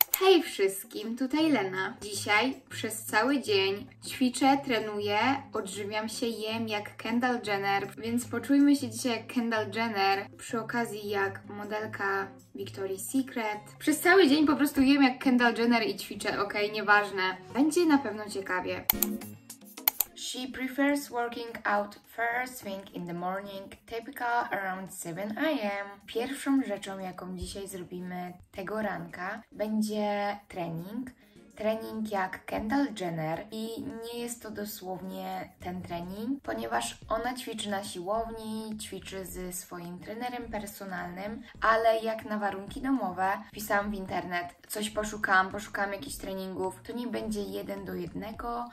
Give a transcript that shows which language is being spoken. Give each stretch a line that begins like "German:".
Polish: Hej wszystkim, tutaj Lena. Dzisiaj przez cały dzień ćwiczę, trenuję, odżywiam się, jem jak Kendall Jenner, więc poczujmy się dzisiaj jak Kendall Jenner, przy okazji jak modelka Victoria's Secret. Przez cały dzień po prostu jem jak Kendall Jenner i ćwiczę, okej, nieważne. Będzie na pewno ciekawie.
English: She prefers working out first thing in the morning, typical around 7 a.m.
Polish: Pierwszą rzeczą, jaką dzisiaj zrobimy tego ranka, będzie trening. Trening jak Kendall Jenner i nie jest to dosłownie ten trening, ponieważ ona ćwiczy na siłowni, ćwiczy ze swoim trenerem personalnym, ale jak na warunki domowe, wpisałam w internet, coś poszukałam jakichś treningów, to nie będzie jeden do jednego.